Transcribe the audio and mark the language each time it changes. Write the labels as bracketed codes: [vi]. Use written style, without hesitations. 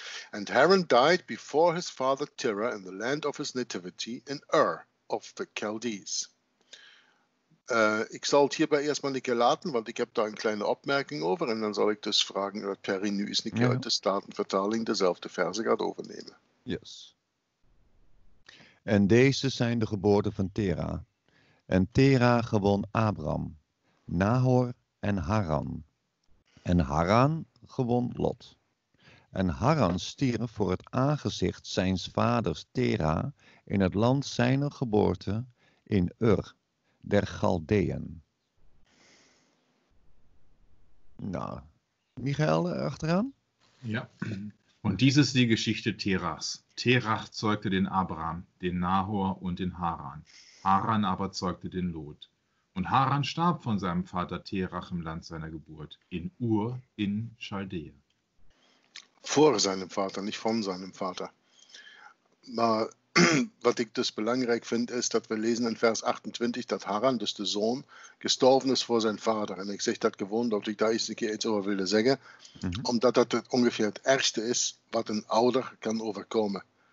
[en] And Haran died before his father Terah in the land of his nativity in Ur. Of the Chaldees. [nl] Ik zal het hierbij eerstmaal een keer laten, want ik heb daar een kleine opmerking over. En dan zal ik dus vragen dat Perry nu eens een keer uit de Statenvertaling dezelfde verse gaat overnemen. [en] Yes. [nl] En deze zijn de geboorten van Terah. En Terah gewon Abram, Nahor en Haran. En Haran gewon Lot. En Haran stierf voor het aangezicht zijns vaders Terah in het land zijner geboorte in Ur, der Chaldeeën. Nou, Michael erachteraan? [de] Ja, en dies is die Geschichte Terahs. Terah zeugte den Abram, den Nahor und den Haran. Haran aber zeugte den Lot. Und Haran starb von seinem Vater Terah im Land seiner Geburt, in Ur, in Chaldeeën. Voor seinem Vater, nicht von seinem Vater. [nl] Maar wat ik dus belangrijk vind, is dat we lezen in vers 28 dat Haran, dus de zoon, gestorven is voor zijn vader. En ik zeg dat gewoon, dat ik daar eens een keer iets over wilde zeggen. Mm-hmm. Omdat dat het ongeveer het ergste is wat een ouder kan overkomen.